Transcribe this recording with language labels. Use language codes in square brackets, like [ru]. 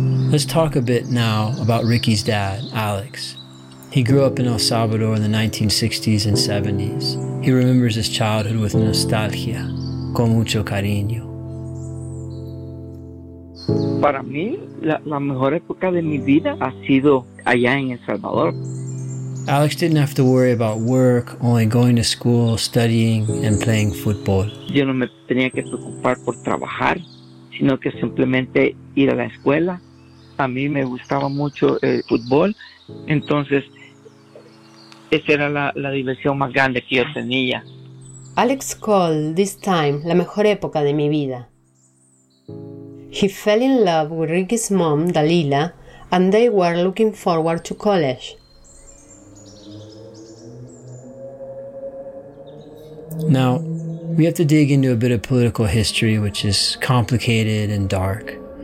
[en] Let's talk a bit now about Ricky's dad, Alex. He grew up in El Salvador in the 1960s and 70s. He remembers his childhood with nostalgia, [es] con mucho cariño. Para mí, la mejor época de mi vida ha sido allá en El Salvador. [en] Alex didn't have to worry about work, only going to school, studying, and playing football. [es] Yo no me tenía que preocupar por trabajar, sino que simplemente ir a la escuela. A mí me gustaba mucho el fútbol, entonces esa era la diversión más grande que yo tenía. [en] Alex called this time [es] la mejor época de mi vida. [en] He fell in love with Ricky's mom, Dalila, and they were looking forward to college. Now, we have to dig into a bit of political history, which is complicated and dark.